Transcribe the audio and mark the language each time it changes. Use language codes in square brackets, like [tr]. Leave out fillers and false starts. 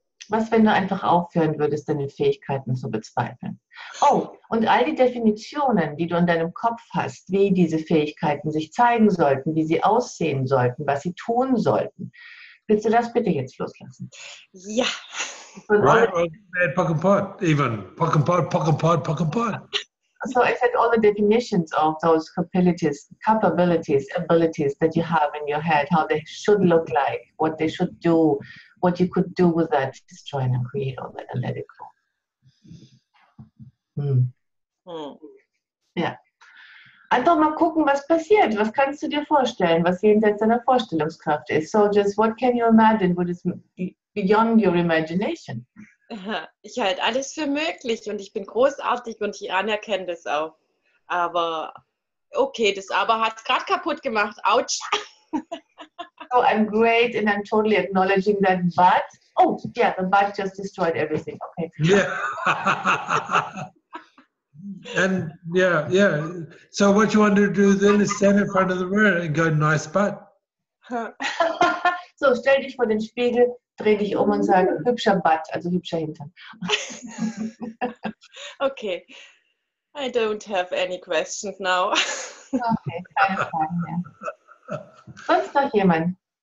[de] Was, wenn du einfach aufhören würdest, deine Fähigkeiten zu bezweifeln? Oh, und all die Definitionen, die du in deinem Kopf hast, wie diese Fähigkeiten sich zeigen sollten, wie sie aussehen sollten, was sie tun sollten, willst du das bitte jetzt loslassen? Ja. Right, pock and pot, even. Pock and pot, pock and pot, pock and pot. [en] So I said all the definitions of those capabilities that you have in your head, how they should look like, what they should do, what you could do with that, destroy and create all that and let it go. [de] Yeah. Einfach mal gucken, was passiert. Was kannst du dir vorstellen, was jenseits deiner Vorstellungskraft ist? [en] So just what can you imagine, what is beyond your imagination? [de] Ich halte alles für möglich und ich bin großartig und ich anerkenne das auch. Aber okay, das Aber hat es gerade kaputt gemacht. Autsch. [en] So I'm great and I'm totally acknowledging that, but oh yeah, the but just destroyed everything. Okay. Yeah. And yeah, yeah. So what you want to do then is stand in front of the mirror and go nice but. [de] So stell dich vor den Spiegel. Dreh dich um und sag, hübscher Butt, also hübscher Hintern. [en] Okay. I don't have any questions now. [de] Okay, keine Fragen mehr. Sonst noch jemand?